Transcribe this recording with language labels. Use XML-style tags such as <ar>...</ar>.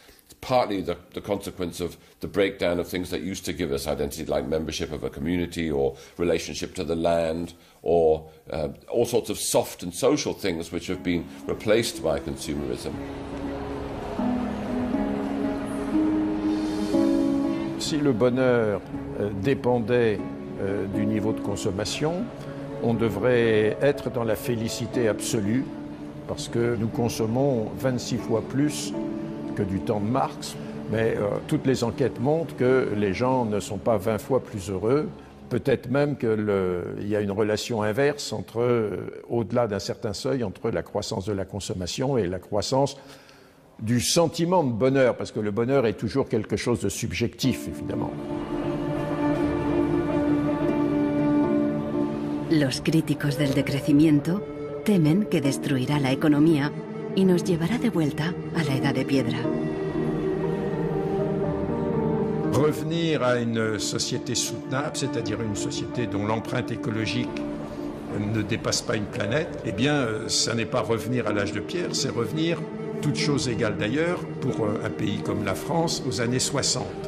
<en>It's partly the consequence of the breakdown of things that used to give us identity, like membership of a community or relationship to the land or all sorts of soft and social things which have been replaced by consumerism.</en> <fr>Si le bonheur dépendait du niveau de consommation, on devrait être dans la félicité absolue parce que nous consommons 26 fois plus que du temps de Marx. Mais toutes les enquêtes montrent que les gens ne sont pas 20 fois plus heureux. Peut-être même qu'il y a une relation inverse entre, au-delà d'un certain seuil, entre la croissance de la consommation et la croissance du sentiment de bonheur, parce que le bonheur est toujours quelque chose de subjectif, évidemment.</fr> <es>Los críticos del decrecimiento temen que destruirá la economía y nos llevará de vuelta a la edad de piedra.</es> <fr>Revenir a une société soutenable, c'est-à-dire une société dont l'empreinte écologique ne dépasse pas une planète, eh bien, ça n'est pas revenir à l'âge de pierre, c'est revenir, toutes choses égales d'ailleurs, pour un pays comme la France, aux années 60.</fr>